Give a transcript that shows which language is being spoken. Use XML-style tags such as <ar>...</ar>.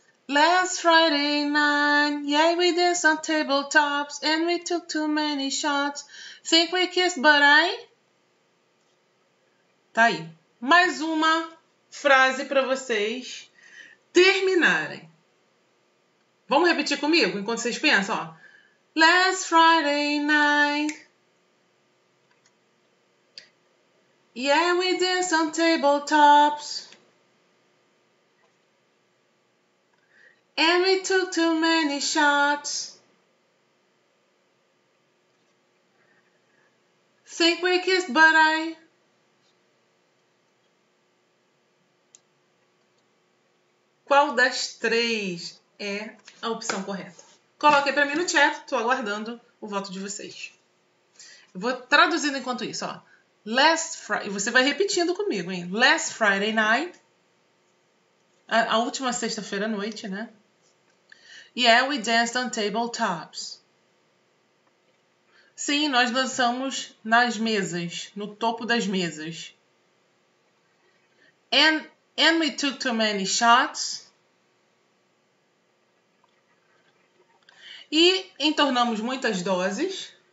<en>Last Friday night, yeah, we danced on tabletops and we took too many shots. Think we kissed, but I...</en> <pt>Tá aí. Mais uma frase para vocês. terminarem. Vamos repetir comigo enquanto vocês pensam, ó.</pt> <en>Last Friday night. Yeah, we danced on tabletops. And we took too many shots. Think we kissed, but I</en> <pt>Qual das três é a opção correta? Coloque aí pra mim no chat, tô aguardando o voto de vocês. Eu vou traduzindo enquanto isso, ó. Você vai repetindo comigo, hein?</pt> <en>Last Friday night.</en> <pt>A última sexta-feira à noite, né?</pt> <en>Yeah, we danced on tabletops.</en> <pt>Sim, nós dançamos nas mesas, no topo das mesas.</pt> <en>And we took too many shots.</en> <pt>E entornamos muitas doses.</pt>